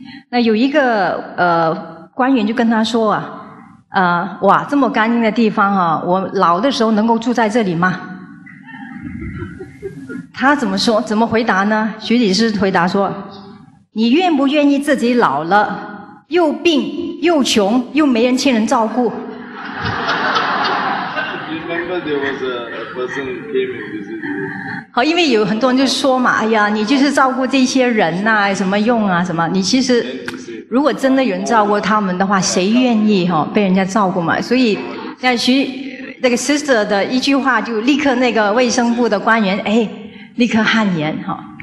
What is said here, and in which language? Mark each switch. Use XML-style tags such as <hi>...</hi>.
<zh>那有一个官员就跟他说啊，哇，这么干净的地方啊，我老的时候能够住在这里吗？他怎么说？怎么回答呢？徐女士回答说：“你愿不愿意自己老了？” 又病又穷又没人亲人照顾。</zh> <en>Remember there was a person came and visited.</en> <zh>好，因为有很多人就说嘛，哎呀，你就是照顾这些人呐、啊，什么用啊，什么？你其实如果真的有人照顾他们的话，谁愿意哈、哦、被人家照顾嘛？所以那徐那个 sister 的一句话，就立刻那个卫生部的官员哎，立刻汗颜哈、哦。</zh>